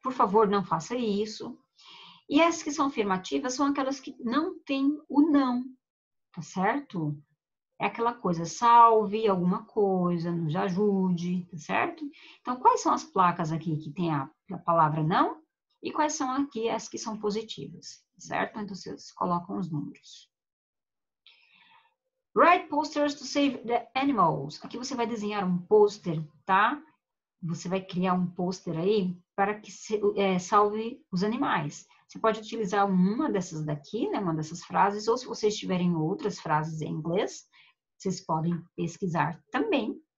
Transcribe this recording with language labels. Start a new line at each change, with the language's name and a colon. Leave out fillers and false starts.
Portuguese: Por favor, não faça isso. E as que são afirmativas são aquelas que não têm o não, tá certo? É aquela coisa, salve alguma coisa, nos ajude, tá certo? Então, quais são as placas aqui que tem a palavra não? E quais são aqui as que são positivas, certo? Então, vocês colocam os números.
English: Write posters to save the animals.
Portuguese: Aqui você vai desenhar um pôster, tá? Você vai criar um pôster aí para que salve os animais. Você pode utilizar uma dessas daqui, né, uma dessas frases, ou se vocês tiverem outras frases em inglês, vocês podem pesquisar também.